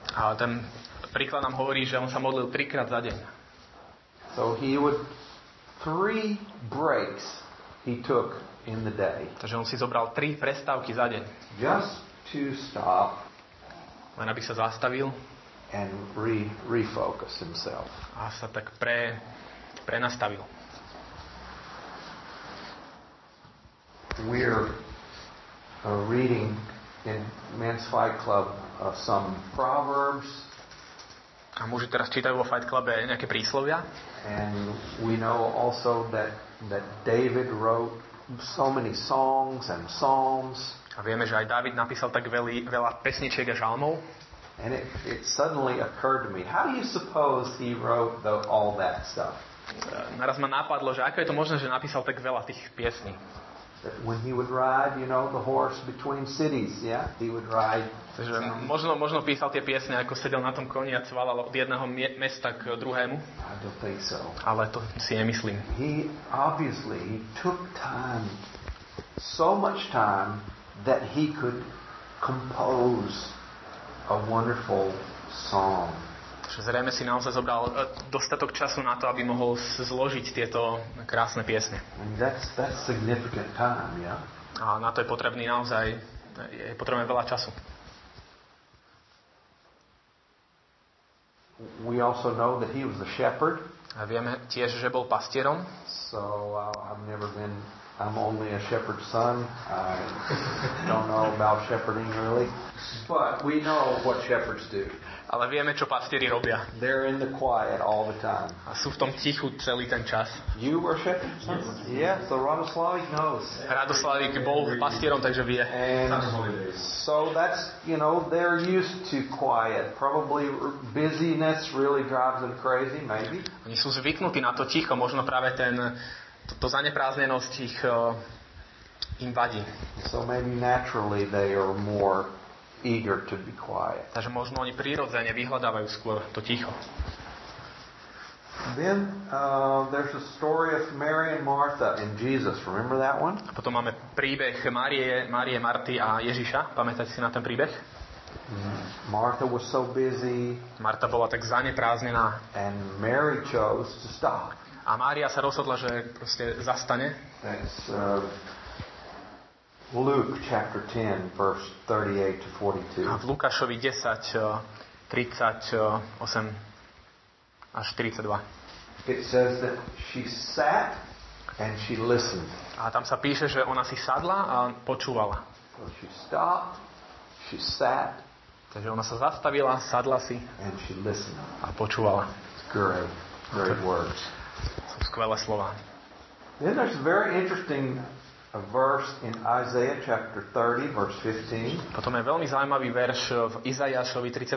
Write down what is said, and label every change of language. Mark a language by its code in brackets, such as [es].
[sk] A ten príklad nám hovorí, že on sa modlil 3-krát za deň. [en] So he would 3 breaks he took in the day. [sk] Takže on si zobral 3 prestávky za deň. [en] Just to stop. [sk] Len aby sa zastavil. [en] And refocus himself. [sk] A sa tak prenastavil. [en] We're reading in Men's Fight Club some proverbs. [sk] A muži teraz čítajú vo Fight Clube nejaké príslovia. [en] And we know also that David wrote so many songs and psalms. [sk] A vieme, že aj David napísal tak veľa pesničiek a žalmov. [en] And it suddenly occurred to me, how do you suppose he wrote all that stuff? [sk] Naraz ma napadlo, že ako je to možné, že napísal tak veľa tých piesní. [en] That when he would ride, you know, the horse between cities, yeah, he would ride. [sk] Takže možno písal tie piesne, ako sedel na tom koni a cvalal od jedného mesta k druhému. [en] I don't think so. [sk] Ale to si nemyslím. [en] He obviously took time, so much time, that he could compose a wonderful song. [sk] Takže zrejme si naozaj zobral dostatok času na to, aby mohol zložiť tieto krásne piesne. [en] That's significant time, yeah? [sk] A na to je potrebný naozaj, je potrebné veľa času. [en] We also know that he was a shepherd. [sk] A vieme tiež, že bol pastierom. [en] So I'm only a shepherd's son. I don't know about shepherding really. But we know what shepherds do. [sk] Ale vieme, čo pastieri robia. [en] They're in the quiet all the time. [sk] A sú v tom tichu celý ten čas. [en] You worship? Yes, the Radoslavik knows. [sk] Radoslavik bol pastierom, takže vie. [en] So that's, you know, they're used to quiet. Probably busyness really drives them crazy, maybe. [sk] Oni sú zvyknutí na to ticho, možno práve ten to zaneprázdnenosť ich im vadí. [en] So maybe naturally they are more eager to be quiet. [sk] Takže možno oni prirodzene vyhľadávajú skôr to ticho. [en] Then there's a story of Mary and Martha and Jesus. Remember that one? [sk] A potom máme príbeh Márie, Marty a Ježiša. Pamätáte si na ten príbeh? [en] Martha was so busy. [sk] Marta bola tak zaneprázdnená. [en] And Mary chose to stop. [sk] A Mária sa rozhodla, že proste zastane. [en] Thanks. Luke chapter 10 verse 38 to 42. [sk] A v Lukášovi 10 38 až 42. [en] It says that she sat and she listened. [sk] A tam sa píše, že ona si sadla a počúvala. [en] So she stopped, she sat. [sk] Takže ona sa zastavila, sadla si [en] and she listened. [sk] A počúvala. [en] It's great. Great words. [sk] Sú skvelé slova. [en] Then there's a very interesting a verse in Isaiah chapter 30 verse 15. [sk] Potom je veľmi zaujímavý verš v Izajášovi 30.